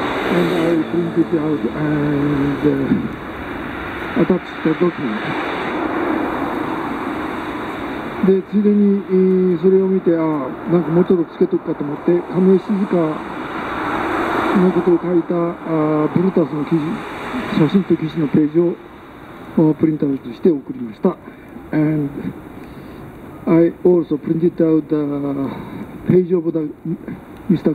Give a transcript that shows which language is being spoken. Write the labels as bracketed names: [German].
[English] And I printed out and attached the document. [Japanese] で、ついでにそれを見て、ああ、なんかもうちょっとつけとくかと思って、亀井静香のことを書いたブルータスの記事、写真と記事のページをプリントアウトして送りました。 [English] And I also printed out the page of the Mr.